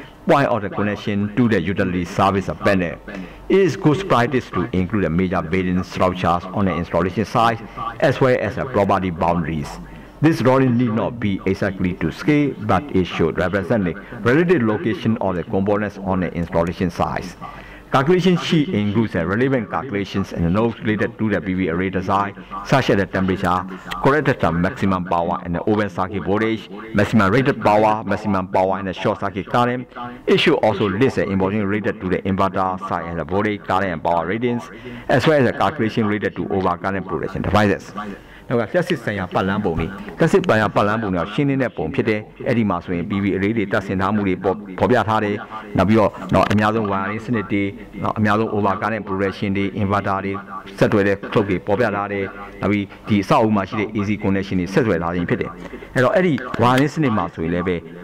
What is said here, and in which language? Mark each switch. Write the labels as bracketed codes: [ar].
[en] point of the connection to the utility service panel it is good practice to include the major bearing structures on the installation site as well as the property boundariesThis drawing need not be exactly to scale, but it should represent the relative location of the components on the installation size. Calculation sheet includes the relevant calculations and notes related to the PV array design, such as the temperature, corrected maximum power and the open circuit voltage, maximum rated power, maximum power and the short circuit current. It should also list the information related to the inverter side and the voltage, current and power ratings, as well as the calculation related to over current protection devices. [my] ဟုတ်ကဲ့ဆက်စစ်ဆိုင်ရာပတ်လန်းပုံလေးဆက်စစ်ပိုင်ရာပတ်လန်းပုံတွေကရှင်းနေတဲ့ပုံဖြစ်တယ်အဲ့ဒီမှာဆိုရင် PV array တွေတက်ဆင်ထားမှုတွေပေါ်ပြထားတယ်နောက်ပြီးတော့အများဆုံး wiring စနစ်တွေနောက်အများဆုံး overcurrent progression တွေ inverter တွေဆက်သွယ်တဲ့ clock တွေပေါ်ပြထားတယ်နောက်ပြီးဒီအဆောက်အဦမှာရှိတဲ့ AC connection တွေဆက်သွယ်ထားခြင်းဖြစ်တယ်အဲ့တော့အဲ့ဒီ wiring စနစ်မှာဆိုရင်လည်းပဲ